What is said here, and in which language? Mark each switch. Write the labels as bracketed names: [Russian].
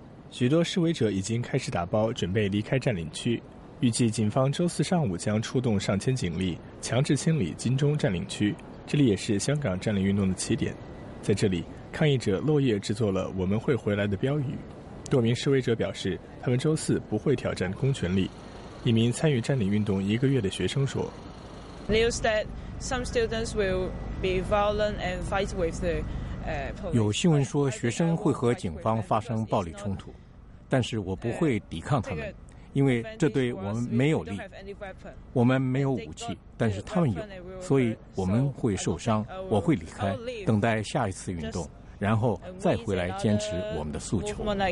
[Chinese] 许多示威者已经开始打包准备离开占领区，预计警方周四上午将出动上千警力强制清理金钟占领区，这里也是香港占领运动的起点。在这里，抗议者落叶制作了我们会回来的标语。多名示威者表示他们周四不会挑战公权力。一名参与占领运动一个月的学生说， [English] News that some students will be violent and fight with the [Chinese] 有新闻说学生会和警方发生暴力冲突，但是我不会抵抗他们，因为这对我们没有利。我们没有武器，但是他们有，所以我们会受伤。我会离开，等待下一次运动，然后再回来坚持我们的诉求。